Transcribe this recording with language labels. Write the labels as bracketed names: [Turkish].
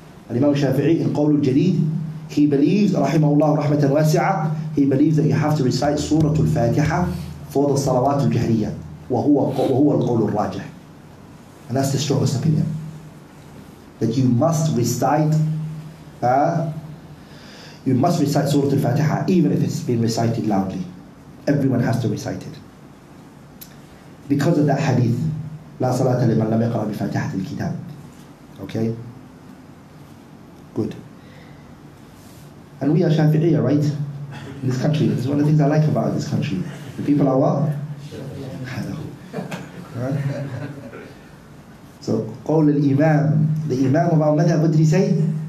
[English] Al-Imam Shafi'i in Qul al-Jadid, he believes, [Arabic] Rahimahullah rahmatan wasi'a, [English] he believes that you have to recite Surah Al-Fatiha for the Salawat al-Jahriya. [Arabic] Wa huwa al-Qul al-Rajah. [English] And that's the strongest opinion. That you must recite, Surah Al-Fatiha, even if it's been recited loudly. Everyone has to recite it. Because of that hadith, [Arabic] لا صلاة لمن لم يقرأ بفاتحة الكتاب. [English] Okay? Good. And we are Shafi'iyah, right? In this country. This is one of the things I like about this country. The people are what? Right? So, [Arabic] قول الإمام, [English] the Imam of our madhab, what did he say?